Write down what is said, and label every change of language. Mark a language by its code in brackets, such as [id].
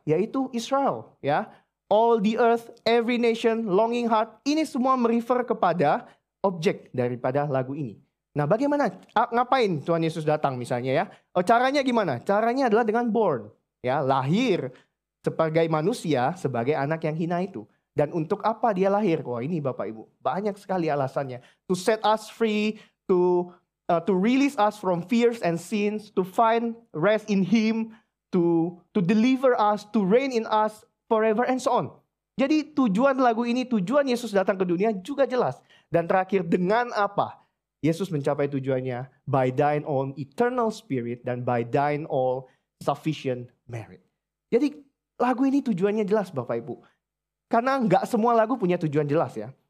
[id] Yaitu Israel, ya. [en] All the earth, every nation, longing heart. [id] Ini semua merefer kepada objek daripada lagu ini. Nah, bagaimana? Ngapain Tuhan Yesus datang misalnya ya? Oh, caranya gimana? Caranya adalah dengan born, ya, lahir sebagai manusia, sebagai anak yang hina itu. Dan untuk apa dia lahir? Wah, ini Bapak Ibu, banyak sekali alasannya. [en] To set us free, to release us from fears and sins, to find rest in him, to deliver us, to reign in us forever and so on. [id] Jadi tujuan lagu ini, tujuan Yesus datang ke dunia juga jelas. Dan terakhir, dengan apa Yesus mencapai tujuannya? [en] By thine own eternal spirit dan by thine all sufficient merit. [id] Jadi lagu ini tujuannya jelas Bapak Ibu. Karena nggak semua lagu punya tujuan jelas ya.